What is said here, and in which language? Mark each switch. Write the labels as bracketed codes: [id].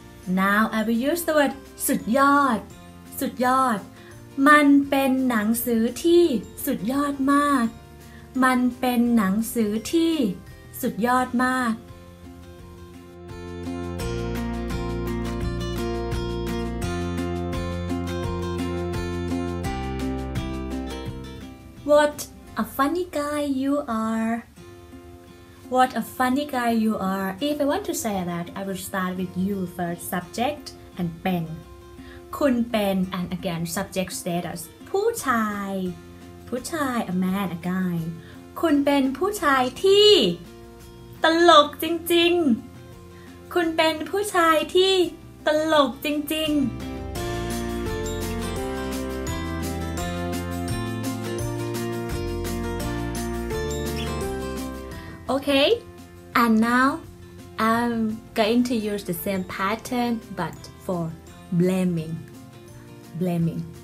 [en] Now I will use the word สุดยอด สุดยอด [th] มันเป็นหนังสือที่สุดยอดมาก มันเป็นหนังสือที่สุดยอดมาก [en] What a funny guy you are. What a funny guy you are. If I want to say that, I will start with you first subject and Ben. [th] คุณเป็น [en] and again subject status [th] ผู้ชายผู้ชาย [en] a man a guy [th] คุณเป็นผู้ชายที่ ตลกจริงๆคุณเป็นผู้ชายที่ตลกจริงๆ [en] okay and now I'm going to use the same pattern but for blamingBlaming.